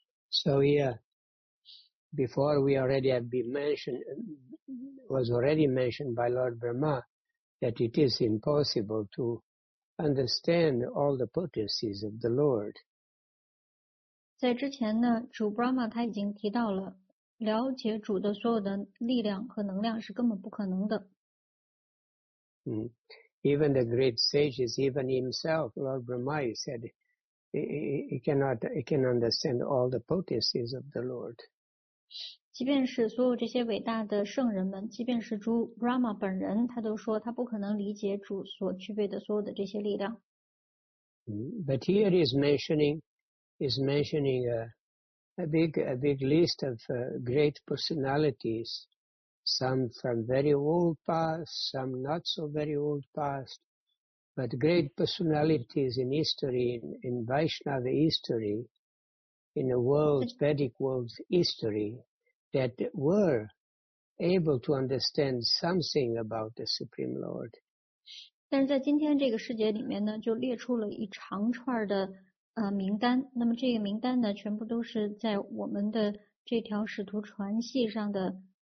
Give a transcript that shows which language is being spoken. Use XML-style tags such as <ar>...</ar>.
<en>So here, before we already have been mentioned, was already mentioned by Lord Brahma that it is impossible to understand all the potencies of the Lord.</en> <zh>在之前呢, 主 Brahma 他已经提到了, 了解主的所有的力量和能量是根本不可能的。</zh> <en>Even the great sages, even himself, Lord Brahma, he said he can understand all the potencies of the Lord.</en> <zh>即便是所有这些伟大的圣人们, 即便是主 Brahma 本人, 他都说他不可能理解主所具备的所有的这些力量。</zh> <en>But here he's mentioning a big list of great personalities. Some from very old past, some not so very old past, but great personalities in history, in Vaishnava history, in the world, Vedic world's history, that were able to understand something about the Supreme Lord.</en> <zh>但是在今天这个世界里面呢，就列出了一长串的名单。那么这个名单呢，全部都是在我们的这条使徒传系上的。</zh>